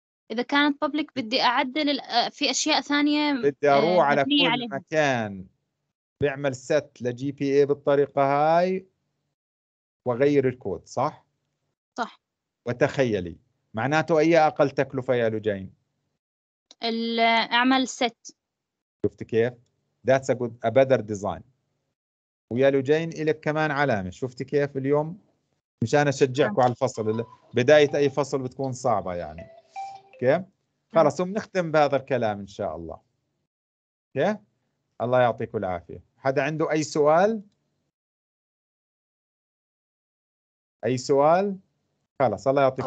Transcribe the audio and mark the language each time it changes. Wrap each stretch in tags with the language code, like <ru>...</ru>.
<ar>إذا كانت public بدي أعدل في أشياء ثانية. بدي أروح على كل عليها. مكان بعمل set لGPA بالطريقة هاي وغير الكود صح؟ صح. وتخيلي معناته أي أقل تكلفة يا لجين؟ أعمل set. شفت كيف؟</ar> <en>That's a good a better design.</en> <ar>ويا لجين إلك كمان علامة. شفت كيف اليوم؟ مشان أشجعك على الفصل. بداية أي فصل بتكون صعبة يعني. اوكي خلاص وبنختم بهذا الكلام ان شاء الله. اوكي الله يعطيك العافيه. حدا عنده اي سؤال؟ اي سؤال؟ خلاص الله يعطيك</ar>